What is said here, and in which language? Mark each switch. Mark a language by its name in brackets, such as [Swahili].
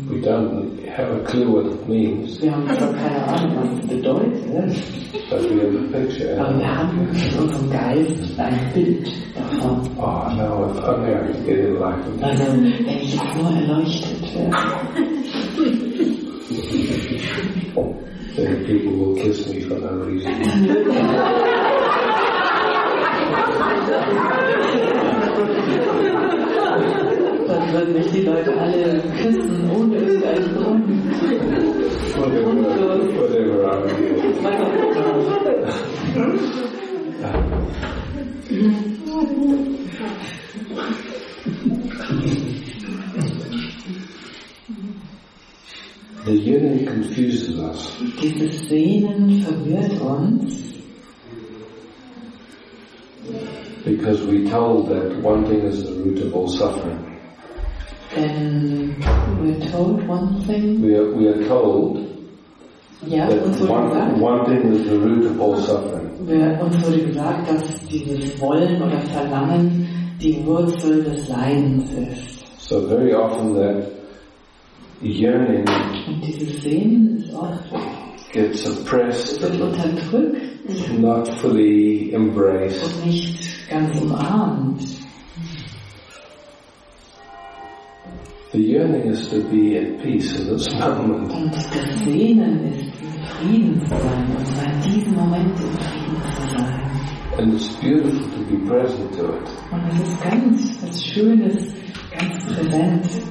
[English] We don't have a clue what it means. [German] Wir haben zwar keine Ahnung, was es bedeutet. [English] But we have a picture. [German] Aber wir haben in unserem Geist ein Bild davon. [English] Oh, no, if only I could get enlightened. [German] Also, wenn ich auch nur erleuchtet wäre. [English] Then people will kiss me for no reason. [German] Dann würden mich die Leute alle küssen, ohne irgendeinen Grund. [English] Whatever I'm doing. The yearning confuses us. [German] Dieses Sehnen verwirrt uns. [English] Because we told that wanting is the root of all suffering. Then we're told one thing. We are told. [German] Ja, [English] that wanting is the root of all suffering. [German] Uns wurde gesagt, dass dieses Wollen oder Verlangen die Wurzel des Leidens ist. [English] So very often that yearning [German] und dieses Sehnen ist oft [English] gets suppressed, [German] wird unterdrückt, [English] not fully embraced [German] und nicht ganz umarmt. [English] The yearning is to be at peace in this moment. [German] Und das Sehnen ist in Frieden zu sein, und zwar in diesem Moment in Frieden zu sein. [English] And it's beautiful to be present to it. [German] Und es ist ganz was Schönes, ganz präsent.